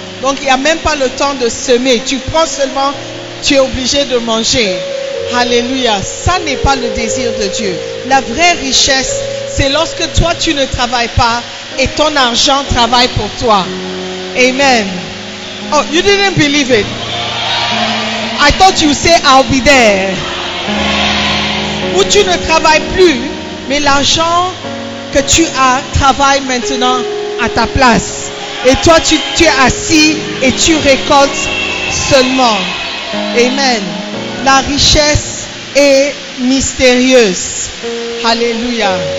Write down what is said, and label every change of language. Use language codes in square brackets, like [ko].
[fr] Donc, il n'y a même pas le temps de semer. Tu prends seulement, tu es obligé de manger. Alléluia. Ça n'est pas le désir de Dieu. La vraie richesse, c'est lorsque toi, tu ne travailles pas et ton argent travaille pour toi. [en] Amen. Oh, you didn't believe it. I thought you say I'll be there. [fr] Où tu ne travailles plus, mais l'argent que tu as travaille maintenant à ta place. Et toi, tu es assis et tu récoltes seulement. Amen. La richesse est mystérieuse. Alléluia.